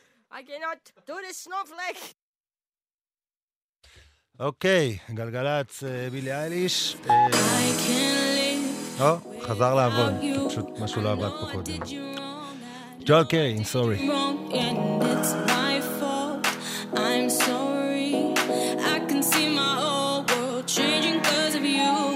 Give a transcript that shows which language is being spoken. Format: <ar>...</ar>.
<en>I cannot do this, snowflake.</en> <he>אוקיי, גלגלץ, בילי אייליש. חזר לעבוד. פשוט משהו לא עבד פה קודם.</he> <en>ג'ואל קרי, I'm sorry. And it's my fault, I'm sorry. I can see my whole world changing because of you.</en>